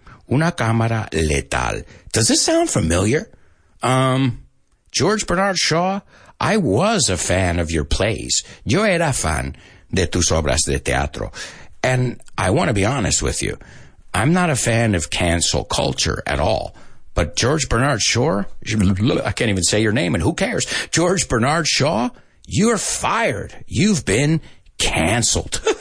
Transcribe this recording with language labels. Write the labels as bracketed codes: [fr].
[es] Una cámara letal. [en] Does this sound familiar? George Bernard Shaw, I was a fan of your plays. [es] Yo era fan de tus obras de teatro. [en] And I want to be honest with you. I'm not a fan of cancel culture at all. But George Bernard Shaw, I can't even say your name, and who cares? George Bernard Shaw, you're fired. You've been canceled.